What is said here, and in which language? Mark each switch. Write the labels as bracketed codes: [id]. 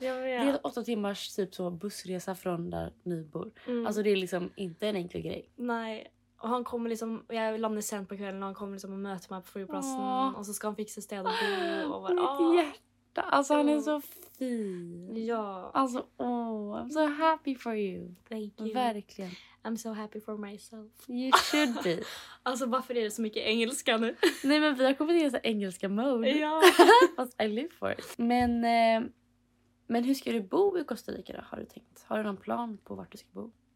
[sv] Det är 8 timmars typ så bussresa från där ni bor. Mm. Alltså, det är liksom inte en enkel grej. Nej. Och han kommer liksom, jag landar sent på kvällen och han kommer liksom och möter mig på flygplatsen. Och så ska han fixa städ och bo. Mitt hjärta, alltså han är så fin. Ja. [en] Alltså, oh, I'm so happy for you. Thank you. [sv] Verkligen. [en] I'm so happy for myself. You should be. [sv] Alltså, varför är det så mycket engelska nu? Nej, men vi har kommit in i så engelska mode. Ja. [en] Fast I live for it. [sv] Men hur ska du bo i Costa Rica då, har du tänkt? Har du någon plan på vart du ska bo?